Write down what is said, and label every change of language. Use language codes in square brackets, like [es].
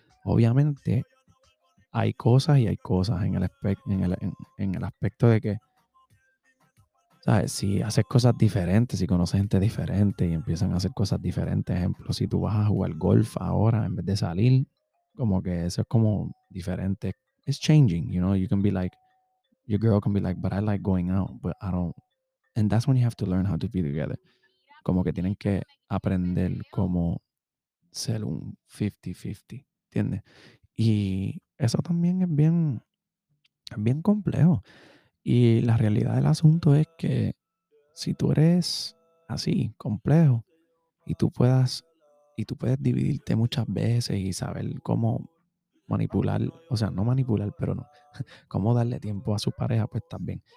[es] Obviamente, hay cosas y hay cosas en el aspecto de que, ¿sabes? Si haces cosas diferentes, si conoces gente diferente y empiezan a hacer cosas diferentes, ejemplo, si tú vas a jugar golf ahora en vez de salir, como que eso es como diferente. [en] It's changing, you know, you can be like, your girl can be like, but I like going out, but I don't. And that's when you have to learn how to be together. [es] Como que tienen que aprender cómo ser un 50-50, ¿entiendes? Y eso también es bien complejo. Y la realidad del asunto es que si tú eres así, complejo, y tú puedes dividirte muchas veces y saber cómo manipular, o sea, no manipular, pero no, cómo darle tiempo a su pareja, pues estás bien.